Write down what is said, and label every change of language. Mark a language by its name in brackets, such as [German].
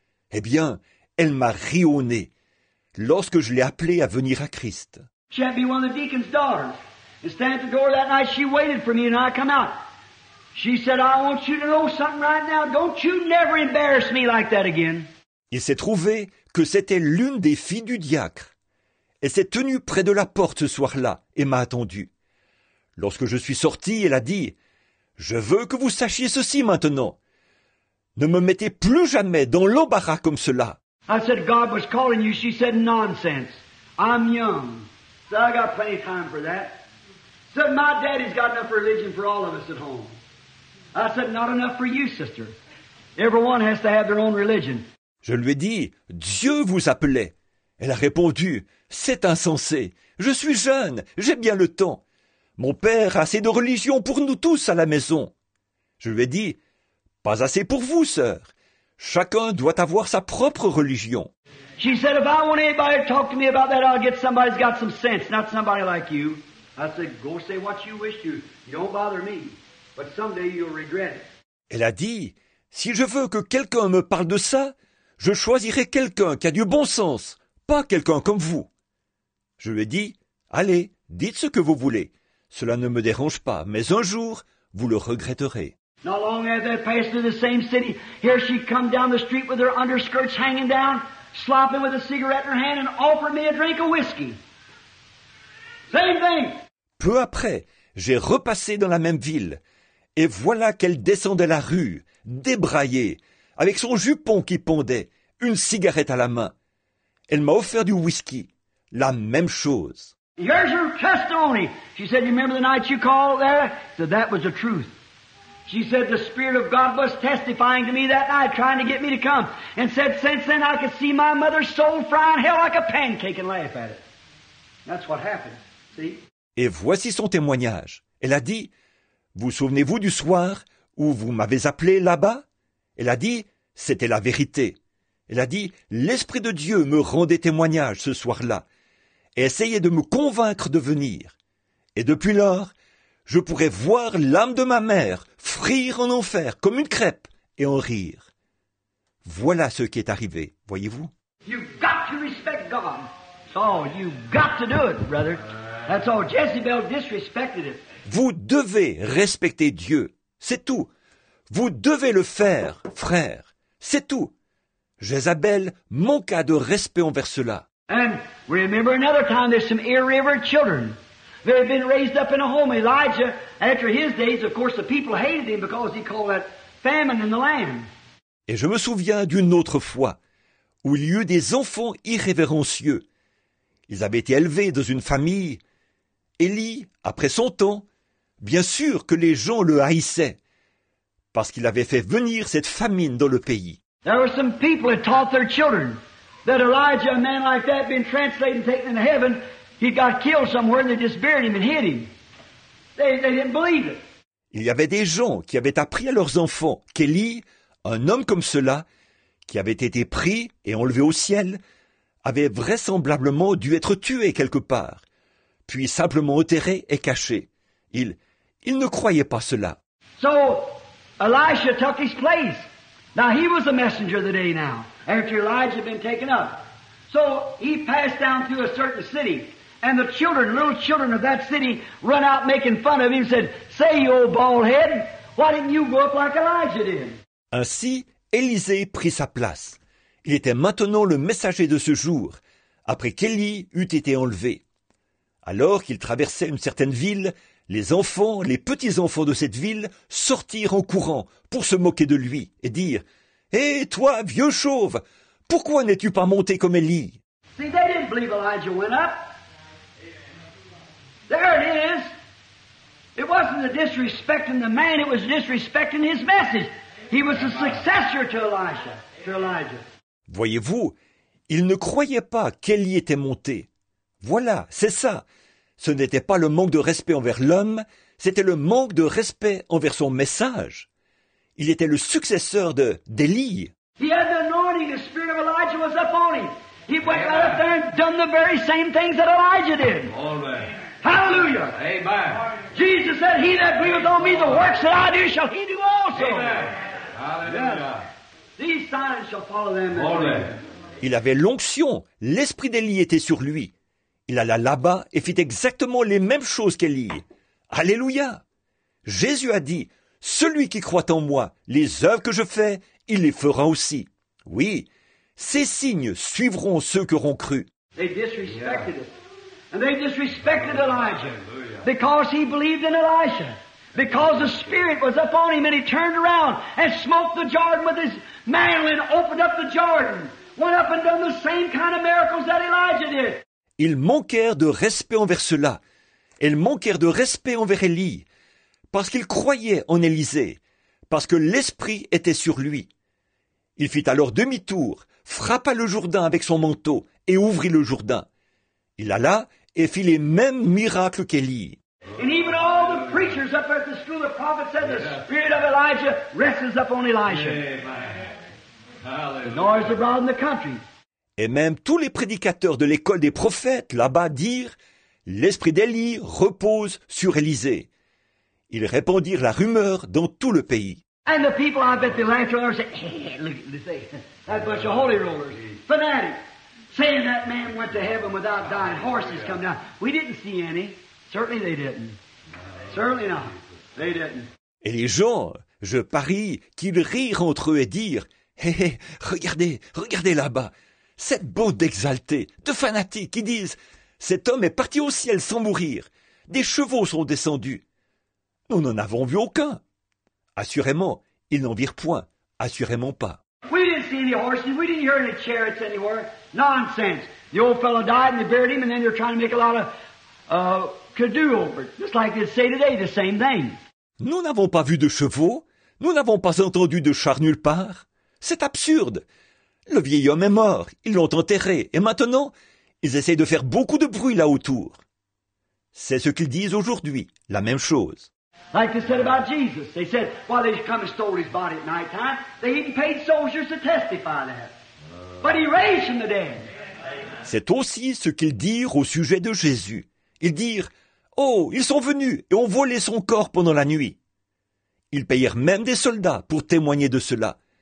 [French] Eh bien, elle m'a ri au nez lorsque je l'ai appelée à venir à Christ. [English] She had been one of the deacon's daughters. And stand at the door that night, she waited for me and I come out. She said, I want you to know something right now. Don't you never embarrass me like that again. [French] Il s'est trouvé que c'était l'une des filles du diacre. Elle s'est tenue près de la porte ce soir-là et m'a attendu. Lorsque je suis sorti, elle a dit, « Je veux que vous sachiez ceci maintenant. Ne me mettez plus jamais dans l'embarras comme cela. » [English] I said, God was calling you. She said, nonsense. I'm young. So I got plenty of time for that. So my daddy's got enough religion for all of us at home. I said, not enough for you, sister. Everyone has to have their own religion. [French] Je lui ai dit, « Dieu vous appelait. » Elle a répondu, « C'est insensé. Je suis jeune, j'ai bien le temps. Mon père a assez de religion pour nous tous à la maison. » Je lui ai dit, « Pas assez pour vous, sœur. Chacun doit avoir sa propre religion. » [English] She said, « If I want anybody to talk to me about that, I'll get somebody who's got some sense, not somebody like you. » I said, « Go say what you wish to. Don't bother me. But someday you'll regret it. » [French] Elle a dit, « Si je veux que quelqu'un me parle de ça, je choisirai quelqu'un qui a du bon sens, pas quelqu'un comme vous. » Je lui ai dit, « Allez, dites ce que vous voulez. Cela ne me dérange pas, mais un jour, vous le regretterez. » [English] Not long after they passed through the same city, here she come down the street with her underskirts hanging down, slopping with a cigarette in her hand and offered me a drink of whiskey. Same thing. [French] Peu après, j'ai repassé dans la même ville et voilà qu'elle descendait la rue, débraillée, avec son jupon qui pendait, une cigarette à la main. Elle m'a offert du whisky. La même chose. [English] Here's her testimony. She said, you remember the night you called there? So that was the truth. She said, the Spirit of God was testifying to me that night, trying to get me to come. And said, since then I could see my mother's soul fry in hell like a pancake and laugh at it. That's what happened. See? [French] Et voici son témoignage. Elle a dit, vous souvenez-vous du soir où vous m'avez appelé là-bas? Elle a dit, c'était la vérité. Elle a dit, l'Esprit de Dieu me rendait témoignage ce soir-là et essayait de me convaincre de venir. Et depuis lors, je pourrais voir l'âme de ma mère frire en enfer comme une crêpe et en rire. Voilà ce qui est arrivé, voyez-vous. [English] You've got to respect God. So you've got to do it, brother. That's all. Jezebel disrespected it. [French] Vous devez respecter Dieu, c'est tout. Vous devez le faire, frère. C'est tout. Jézabel manqua de respect envers cela. [English] And remember another time there's some irreverent children. They've been raised up in a home. Elijah, after his days, of course, the people hated him because he called that famine in the land. [French] Et je me souviens d'une autre fois où il y eut des enfants irrévérencieux. Ils avaient été élevés dans une famille. Élie, après son temps, bien sûr que les gens le haïssaient, parce qu'il avait fait venir cette famine dans le pays. [English] There were some people that taught their children that Elijah, a man like that, been translated and taken into heaven, he got killed somewhere and they just buried him and hid him. They didn't believe it. [French] Il y avait des gens qui avaient appris à leurs enfants qu'Élie, un homme comme cela, qui avait été pris et enlevé au ciel, avait vraisemblablement dû être tué quelque part, puis simplement enterré et caché. Il ne croyait pas cela. [English] So, Elisha took his place. Now he was the messenger of the day now, after Elijah had been taken up. So he passed down through a certain city, and the children, little children of that city, run out making fun of him and said, say, you old bald head, why didn't you go up like Elijah did? [French] Ainsi, Élisée prit sa place. Il était maintenant le messager de ce jour, après qu'Élie eut été enlevé. Alors qu'il traversait une certaine ville, les enfants, les petits-enfants de cette ville sortirent en courant pour se moquer de lui et dire « Eh, toi, vieux chauve, pourquoi n'es-tu pas monté comme Élie ?» [English] See, they didn't believe Elijah went up. There it is. It wasn't a disrespecting the man, it was disrespecting his message. He was the successor to Elisha, to Elijah. [French] Voyez-vous, il ne croyait pas qu'Élie était monté. Voilà, c'est ça. Ce n'était pas le manque de respect envers l'homme, c'était le manque de respect envers son message. Il était le successeur de d'Élie. [English] He had the anointing, the spirit of Elijah was upon him. He went right up there and done the very same things that Elijah did. Amen. Hallelujah. Amen. Jesus said, he that believeth on me, the works that I do shall he do also. Amen. Hallelujah. Yes. These signs shall follow them. Amen. [French] Il avait l'onction, l'esprit d'Élie était sur lui. Il alla là-bas et fit exactement les mêmes choses qu'Élie. Alléluia. Jésus a dit, « Celui qui croit en moi, les œuvres que je fais, il les fera aussi. » Oui, ces signes suivront ceux qui auront cru. [English] They disrespected it. And they disrespected Elijah. Because he believed in Elisha. Because the Spirit was upon him and he turned around and smote the Jordan with his mantle and opened up the Jordan. Went up and done the same kind of miracles that Elijah did. [French] Ils manquèrent de respect envers cela. Ils manquèrent de respect envers Élie. Parce qu'il croyait en Élisée, parce que l'Esprit était sur lui. Il fit alors demi-tour, frappa le Jourdain avec son manteau et ouvrit le Jourdain. Il alla et fit les mêmes miracles qu'Élie. [English] And even all the preachers up at the school of prophets said the spirit of Elijah rests upon Elijah. The noise abroad in the country. [French] Et même tous les prédicateurs de l'école des prophètes là-bas dirent l'Esprit d'Élie repose sur Élisée. Ils répandirent la rumeur dans tout le pays. [English] And the people, I bet the lantern are saying, hey, look, that bunch of holy rollers, fanatics, saying that man went to heaven without dying, horses come down. We didn't see any. Certainly they didn't. Certainly not. They didn't. [French] Et les gens, je parie qu'ils rirent entre eux et dirent, hey, regardez, regardez là-bas, cette bande d'exaltés, de fanatiques qui disent, cet homme est parti au ciel sans mourir, des chevaux sont descendus. Nous n'en avons vu aucun. Assurément, ils n'en virent point. Assurément pas. [English] We didn't see any horses. We didn't hear any chariots anywhere. Nonsense. The old fellow died and they buried him and then they're trying to make a lot of kudu over it. Just like they say today, the same thing. [French] Nous n'avons pas vu de chevaux. Nous n'avons pas entendu de chars nulle part. C'est absurde. Le vieil homme est mort. Ils l'ont enterré. Et maintenant, ils essayent de faire beaucoup de bruit là autour. C'est ce qu'ils disent aujourd'hui. La même chose. [English] Like they said about Jesus. They said, well, they come and stole his body at night time. They even paid soldiers to testify that. But he raised from the dead. [French] C'est aussi ce qu'ils dirent au sujet de Jésus. Ils dirent, oh, ils sont venus et ont volé son corps pendant la nuit. Ils payèrent même des soldats pour témoigner de cela.